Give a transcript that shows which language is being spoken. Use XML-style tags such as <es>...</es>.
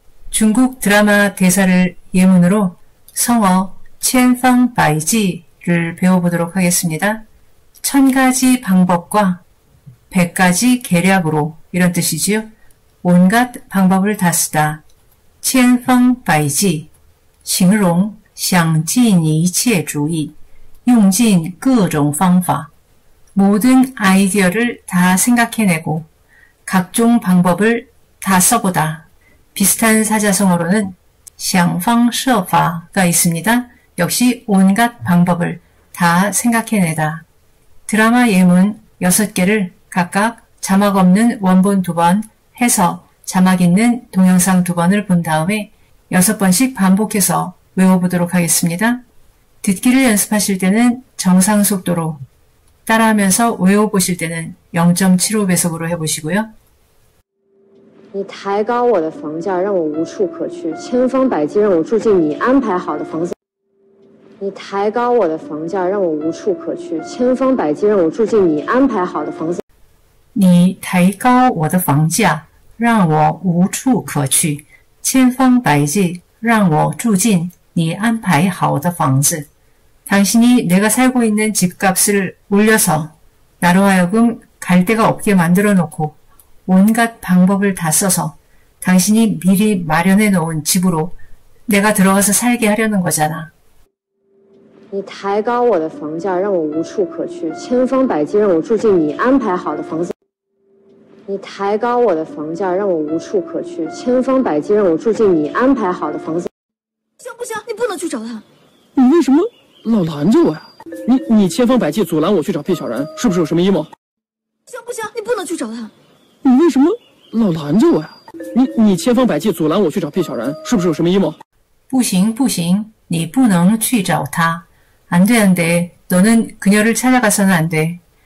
<ko>중국 드라마 대사를 예문으로 성어 첸팡 바이지를 배워보도록 하겠습니다. 천 가지 방법과 백 가지 계략으로 이런 뜻이지요. 온갖 방법을 다 쓰다.</ko> <zh>첸팡 바이지, 形容 想尽一切主意, 用尽各种方法.</zh> <ko>모든 아이디어를 다 생각해내고 각종 방법을 다 써보다. 비슷한 사자성어로는 샹팡设法가 있습니다. 역시 온갖 방법을 다 생각해내다. 드라마 예문 6개를 각각 자막 없는 원본 2번, 해서 자막 있는 동영상 2번을 본 다음에 6번씩 반복해서 외워보도록 하겠습니다. 듣기를 연습하실 때는 정상 속도로, 따라하면서 외워보실 때는 0.75 배속으로 해보시고요.</ko> <zh>你抬高我的房价，让我无处可去，千方百计让我住进你安排好的房子。你抬高我的房价，让我无处可去，千方百计让我住进你安排好的房子。你抬高我的房价，让我无处可去，千方百计让我住进你安排好的房子。</zh> <ko>당신이 내가 살고 있는 집값을 올려서 나로 하여금 갈 데가 없게 만들어 놓고 온갖 방법을 다 써서 당신이 미리 마련해 놓은 집으로 내가 들어가서 살게 하려는 거잖아.</ko> <zh>你抬高我的房价，让我无处可去，千方百计让我住进你安排好的房子。你抬高我的房价，让我无处可去，千方百计让我住进你安排好的房子。行不行？你不能去找他。你为什么老拦着我呀？你千方百计阻拦我去找聂小然，是不是有什么阴谋？行不行？你不能去找他。你为什么老拦着我呀？你千方百计阻拦我去找聂小然，是不是有什么阴谋？不行不行，你不能去找他。</zh> <ko>안 돼, 안 돼. 너는 그녀를 찾아가서는 안 돼.</ko>